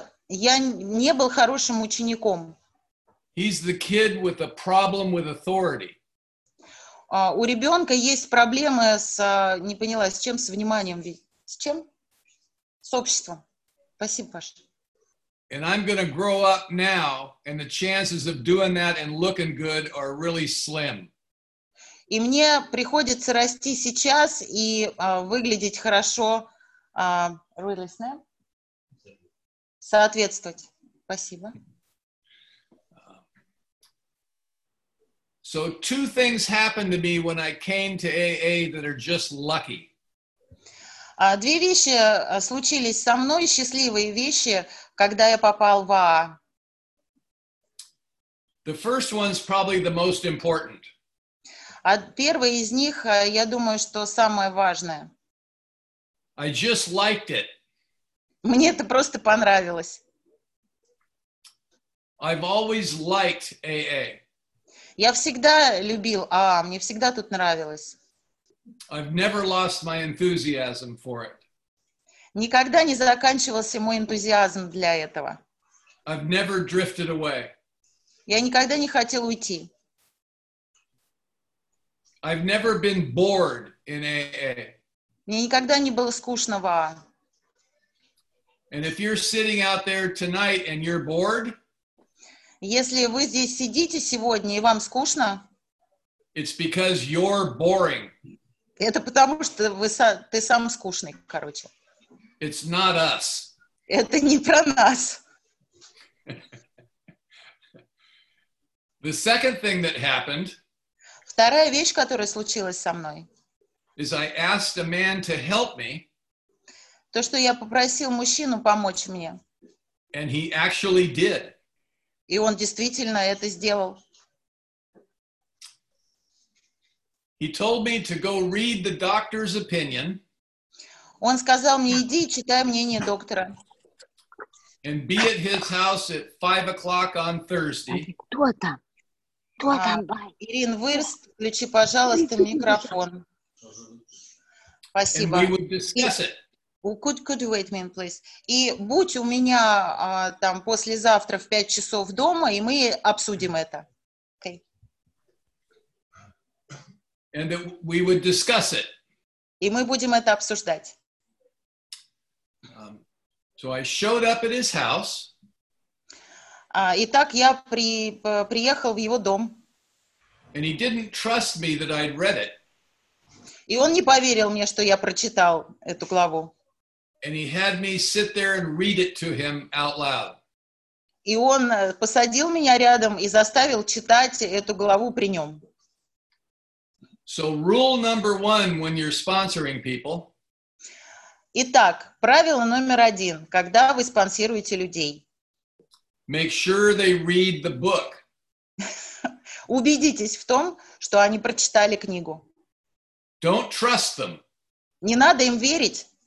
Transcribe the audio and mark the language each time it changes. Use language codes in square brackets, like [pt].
[ru] Я не был хорошим учеником. [en] He's the kid with a problem with authority. [ru] У ребенка есть проблемы с, не поняла, с чем, с вниманием, с чем? С обществом. Спасибо, Паша. [en] And I'm going to grow up now, and the chances of doing that and looking good are really slim. [ru] И мне приходится расти сейчас и выглядеть хорошо, [en] really slim, [ru] соответствовать. Спасибо. [en] So two things happened to me when I came to AA that are just lucky. [ru] Две вещи случились со мной, счастливые вещи, когда я попал в АА. [en] The first one's probably the most important. [ru] А первая из них, я думаю, что самое важное. [en] I just liked it. [ru] Мне это просто понравилось. [en] I've always liked AA. [ru] Я всегда любил АА, мне всегда тут нравилось. [en] I've never lost my enthusiasm for it. [ru] Никогда не заканчивался мой энтузиазм для этого. [en] I've never drifted away. [ru] Я никогда не хотел уйти. [en] I've never been bored in AA. [ru] Мне никогда не было скучно в АА. [en] And if you're sitting out there tonight and you're bored, [ru] если вы здесь сидите сегодня и вам скучно, [en] it's because you're boring. [ru] Это потому, что ты сам скучный, короче. [en] It's not us. [ru] Это не про нас. [en] The second thing that happened, [ru] вторая вещь, которая случилась со мной, [en] is I asked a man to help me, [ru] то, что я попросил мужчину помочь мне, [en] And he actually did. [ru] И он действительно это сделал. [en] He told me to go read the doctor's opinion. [ru] Он сказал мне, иди, читай мнение доктора. [en] And be at his house at 5 o'clock on Thursday. [ru] Кто там? Кто там, бай? Ирин, вырст, включи, пожалуйста, микрофон. Спасибо. [en] And we would discuss it. Could you wait a minute, please? [ru] И будь у меня там послезавтра в 5 часов дома, и мы обсудим это. [en] Okay. And that we would discuss it. [ru] И мы будем это обсуждать. [en] So I showed up at his house. [ru] Итак, я приехал в его дом. [en] And he didn't trust me that I'd read it. [ru] И он не поверил мне, что я прочитал эту главу. [en] And he had me sit there and read it to him out loud. [ru] И он посадил меня рядом и заставил читать эту главу при нем. [en] So rule number one when you're sponsoring people. [ru] Итак, правило номер один, когда вы спонсируете людей. [en] Make sure they read the book. [ru] Убедитесь в том, что они прочитали книгу. [en] Don't trust them. [ru] Не надо им верить.